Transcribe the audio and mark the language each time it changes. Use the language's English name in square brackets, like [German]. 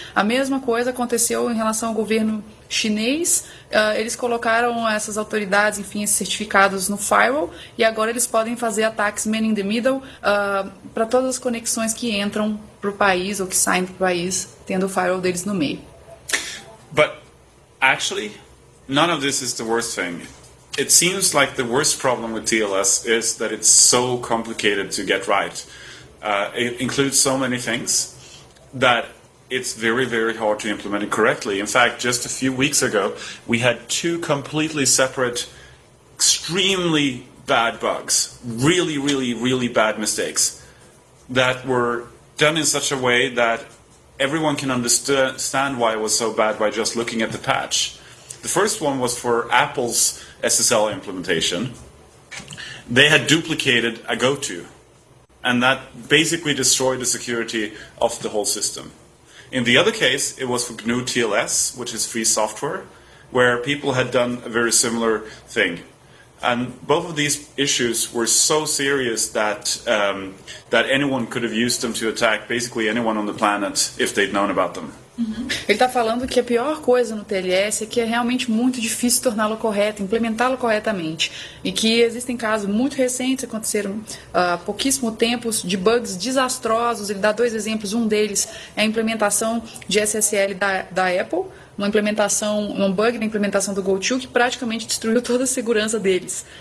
[Portuguese] A mesma coisa aconteceu em relação ao governo chinês. Eles colocaram essas autoridades, enfim, esses certificados no firewall, e agora eles podem fazer ataques man in the middle para todas as conexões que entram para o país ou que saem do país, tendo o firewall deles no meio. [English] But actually, none of this is the worst thing. It seems like the worst problem with TLS is that it's so complicated to get right. It includes so many things that it's very, very hard to implement it correctly. In fact, just a few weeks ago, we had two completely separate, extremely bad bugs, really, really, really bad mistakes that were done in such a way that everyone can understand why it was so bad by just looking at the patch. The first one was for Apple's SSL implementation. They had duplicated a go-to, and that basically destroyed the security of the whole system. In the other case, it was for GNU TLS, which is free software, where people had done a very similar thing. And both of these issues were so serious that that anyone could have used them to attack basically anyone on the planet if they'd known about them. Uhum. [Portuguese] Ele está falando que a pior coisa no TLS é que é realmente muito difícil torná-lo correto, implementá-lo corretamente. E que existem casos muito recentes, aconteceram há pouquíssimo tempo, de bugs desastrosos. Ele dá dois exemplos. Um deles é a implementação de SSL da Apple, uma implementação, um bug na implementação do GoTo, que praticamente destruiu toda a segurança deles.